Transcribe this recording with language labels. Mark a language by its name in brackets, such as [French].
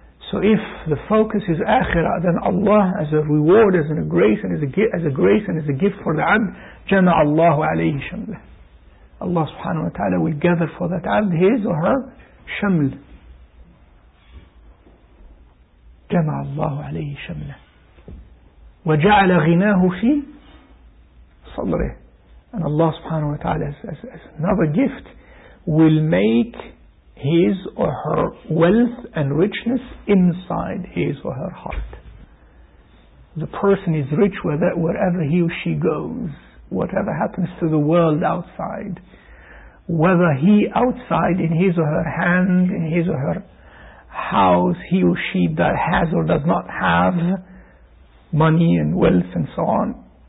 [English] So if the focus is akhirah, then Allah as a reward, as a grace, and as a gift for the abd, jama Allahu alayhi shaml. Allah subhanahu wa ta'ala will gather for that abd his or her shaml. [Arabic] جمع الله عليه شملة وجعل غناه في صدره. [English] And Allah subhanahu wa ta'ala as another gift will make his or her wealth and richness inside his or her heart. The person is rich wherever he or she goes, whatever happens to the world outside, whether he outside in his or her hand, in his or her house, he or she that has or does not have money and wealth and so on.